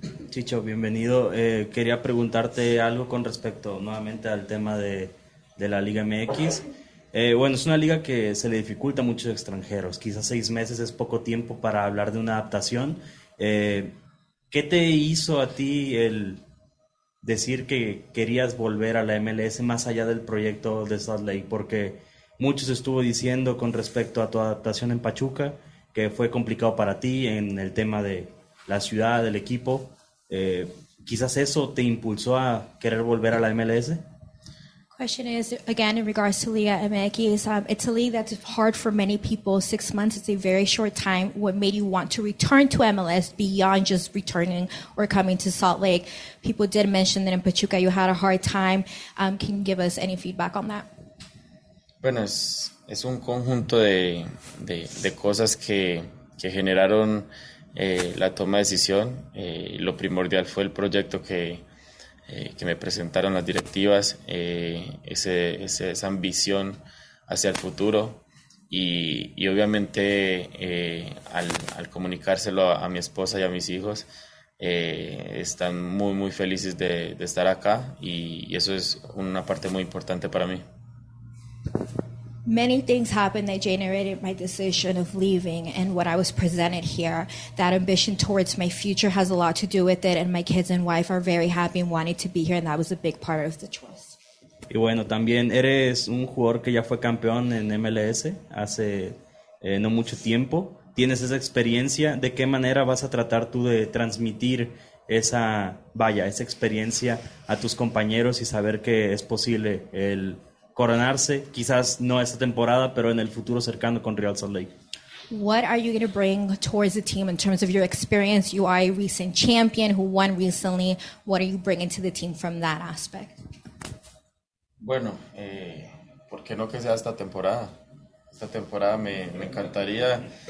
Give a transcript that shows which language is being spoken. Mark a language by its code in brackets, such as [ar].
[es] Chicho, bienvenido. Quería preguntarte algo con respecto nuevamente al tema de la Liga MX. Bueno, es una liga que se le dificulta a muchos extranjeros. Quizás 6 meses es poco tiempo para hablar de una adaptación. ¿Qué te hizo a ti el decir que querías volver a la MLS más allá del proyecto de Salt Lake? Porque muchos estuvo diciendo con respecto a tu adaptación en Pachuca que fue complicado para ti en el tema de la ciudad, del equipo. ¿Quizás eso te impulsó a querer volver a la MLS? [en] Question is, again, in regards to Liga MX, it's a league that's hard for many people. 6 months is a very short time. What made you want to return to MLS beyond just returning or coming to Salt Lake? People did mention that in Pachuca you had a hard time. Can you give us any feedback on that? [es] Bueno, es un conjunto de cosas que generaron la toma de decisión. Lo primordial fue el proyecto que me presentaron las directivas, esa ambición hacia el futuro y obviamente al comunicárselo a mi esposa y a mis hijos, están muy muy felices de estar acá y eso es una parte muy importante para mí. [en] Many things happened that generated my decision of leaving and what I was presented here. That ambition towards my future has a lot to do with it, and my kids and wife are very happy and wanted to be here, and that was a big part of the choice. [es] Y bueno, también eres un jugador que ya fue campeón en MLS hace no mucho tiempo. Tienes esa experiencia. ¿De qué manera vas a tratar tú de transmitir esa experiencia a tus compañeros y saber que es posible el coronarse, quizás no esta temporada, pero en el futuro cercano con Real Salt Lake? [en] What are you going to bring towards the team in terms of your experience? You are a recent champion who won recently. What are you bringing to the team from that aspect? [es] Bueno, ¿por qué no que sea esta temporada? Esta temporada me encantaría.